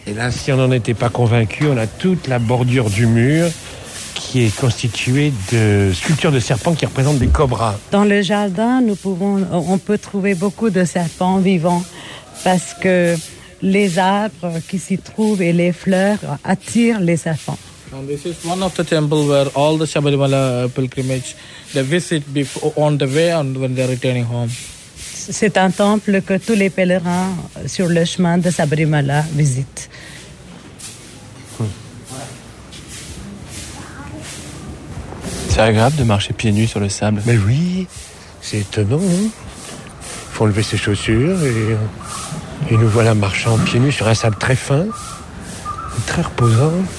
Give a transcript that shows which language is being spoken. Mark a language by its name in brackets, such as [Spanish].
[French] Et là, si on n'en était pas convaincu, on a toute la bordure du mur qui est constituée de sculptures de serpents qui représentent des cobras. Dans le jardin, on peut trouver beaucoup de serpents vivants parce que les arbres qui s'y trouvent et les fleurs attirent les serpents. [English] And this is one of the temples where all the Shabarimala pilgrimage they visit before, on the way and when they're returning home. [French] C'est un temple que tous les pèlerins sur le chemin de Shabarimala visitent. C'est agréable de marcher pieds nus sur le sable. Mais oui, c'est étonnant. Il faut enlever ses chaussures et nous voilà marchant pieds nus sur un sable très fin, très reposant.